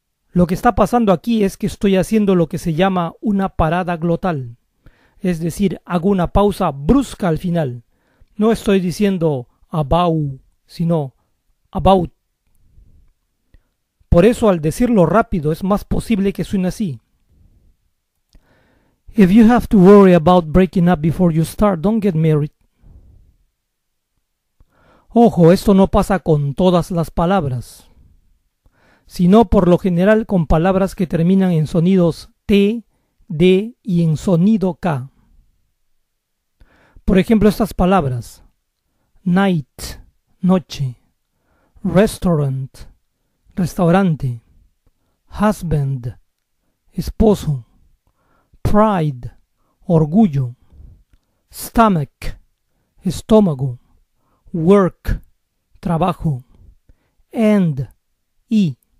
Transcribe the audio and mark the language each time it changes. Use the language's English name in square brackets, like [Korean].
[Spanish] Lo que está pasando aquí es que estoy haciendo lo que se llama una parada glotal. Es decir, hago una pausa brusca al final. No estoy diciendo about, sino about. Por eso, al decirlo rápido, es más posible que suene así. [English] If you have to worry about breaking up before you start, don't get married. [Spanish] Ojo, esto no pasa con todas las palabras, sino por lo general con palabras que terminan en sonidos T, D y en sonido K. Por ejemplo, estas palabras: night, noche; restaurant, restaurante; husband, esposo; pride, orgullo; stomach, estómago; work, trabajo; and, y.